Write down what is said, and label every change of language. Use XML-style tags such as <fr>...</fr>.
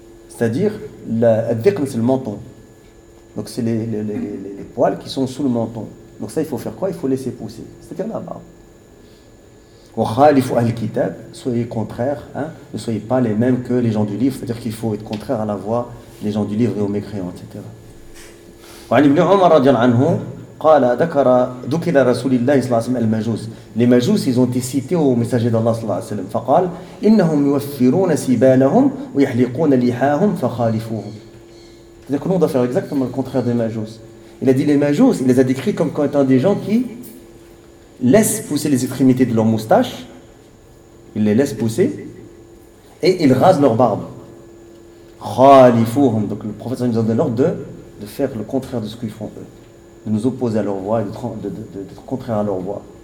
<fr>C'est-à-dire, ad-diqn, c'est le menton. Donc, c'est les poils qui sont sous le menton. Donc, ça, il faut faire quoi? Il faut laisser pousser. C'est-à-dire là-bas.</fr> <ar>وخالف أهل الكتاب</ar> <fr>soyez contraire, hein, ne soyez pas les mêmes que les gens du livre, c'est-à-dire qu'il faut être contraire à la voix des gens du livre et aux mécréants, etc.</fr> <ar>وعن ابن عمر رضي الله عنه قال ذكر ذكر رسول الله صلى الله عليه وسلم المجوس.</ar> <fr>Les majus ils ont été cités au messager d'Allah صلى الله عليه وسلم.</fr> <ar>فقال إنهم يوفرون سبالهم ويحلقون لحاهم فخالفوهم.</ar> <fr>C'est-à-dire que nous on doit faire exactement le contraire des majus. Il a dit les majus, il les a décrits comme étant des gens qui laisse pousser les extrémités de leur moustache, ils les laissent pousser et ils rasent leur barbe. Khalifouhum. Donc le prophète nous a donné l'ordre de faire le contraire de ce qu'ils font eux, de nous opposer à leur voix et de contraire à leur voix.</fr>